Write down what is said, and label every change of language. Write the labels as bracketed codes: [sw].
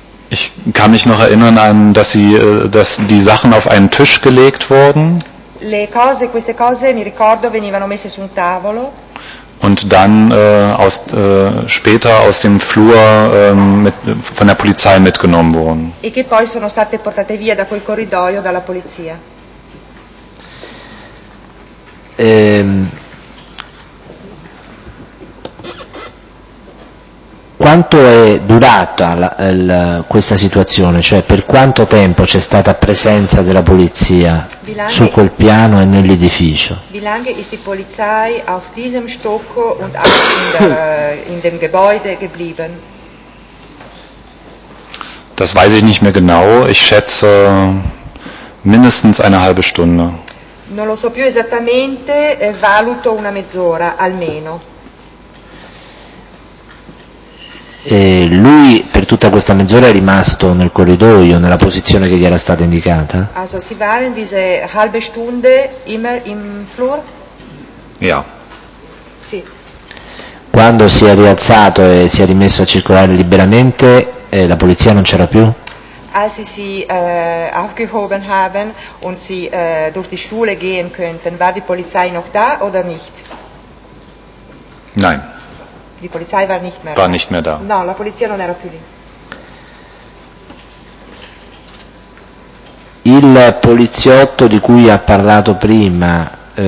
[de] Ich kann mich noch erinnern an, dass die Sachen auf einen Tisch gelegt wurden. [it] Le cose, queste cose, mi ricordo, venivano messe su un tavolo. [de] Und dann später aus dem Flur von der Polizei mitgenommen wurden. [it] E che poi sono state portate via da quel corridoio dalla polizia. Quanto è durata questa situazione? Cioè, per quanto tempo c'è stata presenza della polizia su quel piano e nell'edificio? [de] Wie lange ist die Polizei auf diesem Stock und auch in dem Gebäude geblieben? Das weiß ich nicht mehr genau. Ich schätze mindestens eine halbe Stunde. [it] Non lo so più esattamente, valuto una mezz'ora almeno. Lui per tutta questa mezz'ora è rimasto nel corridoio, nella posizione che gli era stata indicata? [de] Also, si war in diese halbe Stunde immer im Flur? Ja. [it] Sì. Quando si è rialzato e si è rimesso a circolare liberamente, la polizia non c'era più? [de] Als sie sich aufgehoben haben und sie durch die Schule gehen könnten, war die Polizei noch da oder nicht? Nein. Die Polizei war nicht mehr da. War nicht mehr da. [it] No, la polizia non era più lì. Il poliziotto di cui ha parlato prima